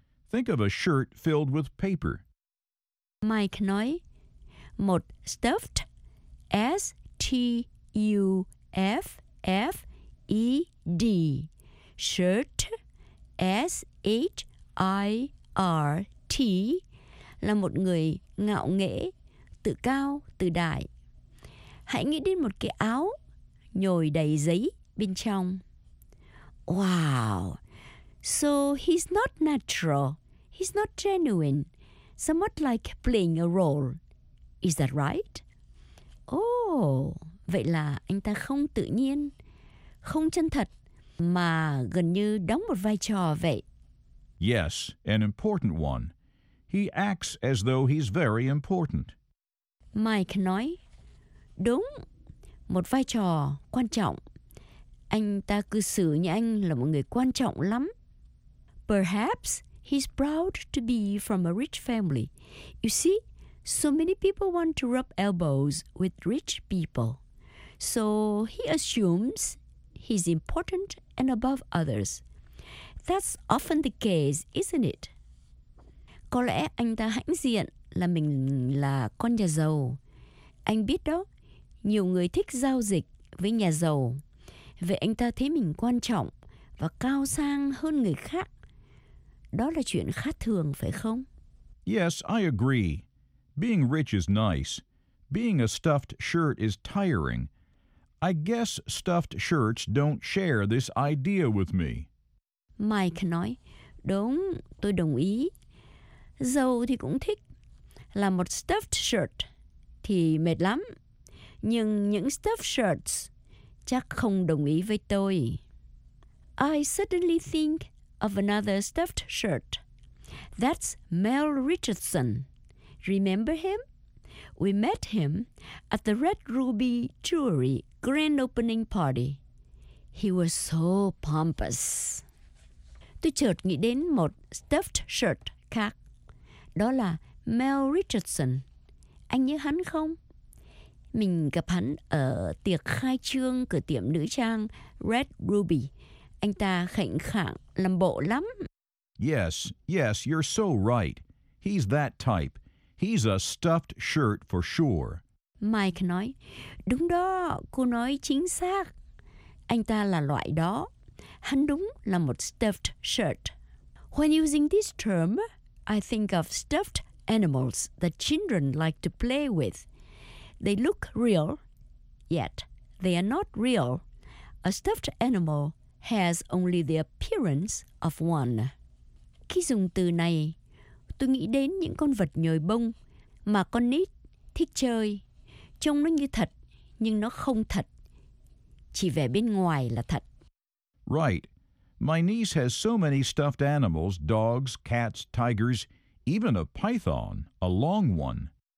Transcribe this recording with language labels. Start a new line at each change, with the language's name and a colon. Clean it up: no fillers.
English: Think of a shirt filled with paper.
Vietnamese: Mike nói, một stuffed, S-T-U-F-F-E-D Shirt, S-H-I-R-T, là một người ngạo nghễ, tự cao, tự đại. Hãy nghĩ đến một cái áo nhồi đầy giấy bên trong.
English: Wow, so he's not natural, he's not genuine, somewhat like playing a role. Is that right?
Vietnamese: Oh, vậy là anh ta không tự nhiên, không chân thật, mà gần như đóng một vai trò vậy.
English: Yes, an important one. He acts as though he's very important.
Vietnamese: Mike nói, đúng, một vai trò quan trọng. Anh ta cư xử như anh là một người quan trọng lắm.
English: Perhaps he's proud to be from a rich family. You see, so many people want to rub elbows with rich people. So he assumes he's important and above others. That's often the case, isn't it?
Vietnamese: Có lẽ anh ta hãnh diện là mình là con nhà giàu. Anh biết đó, nhiều người thích giao dịch với nhà giàu. Vậy anh ta thấy mình quan trọng và cao sang hơn người khác. Đó là chuyện khá thường, phải không?
English: Yes, I agree. Being rich is nice. Being a stuffed shirt is tiring. I guess stuffed shirts don't share this idea with me.
Vietnamese: Mike nói, đúng, tôi đồng ý. Giàu thì cũng thích. Là một stuffed shirt thì mệt lắm. Nhưng những stuffed shirts chắc không đồng ý với tôi.
English: I suddenly think of another stuffed shirt. That's Mel Richardson. Remember him? We met him at the Red Ruby Jewelry grand opening party. He was so pompous.
Vietnamese: Tôi chợt nghĩ đến một stuffed shirt khác. Đó là Mel Richardson. Anh nhớ hắn không? Mình gặp hắn ở tiệc khai trương cửa tiệm nữ trang Red Ruby. Anh ta khệnh khạng, làm bộ lắm.
English: Yes, yes, you're so right. He's that type. He's a stuffed shirt for sure.
Vietnamese: Mike nói, đúng đó, cô nói chính xác. Anh ta là loại đó. Hắn đúng là một stuffed shirt.
English: When using this term, I think of stuffed animals that children like to play with. They look real, yet they are not real. A stuffed animal has only the appearance of one.
Vietnamese: Khi dùng từ này, tôi nghĩ đến những con vật nhồi bông mà con nít thích chơi. Trông nó như thật, nhưng nó không thật. Chỉ vẻ bên ngoài là thật.
English: Right. My niece has so many stuffed animals, dogs, cats, tigers, even a python, a long one.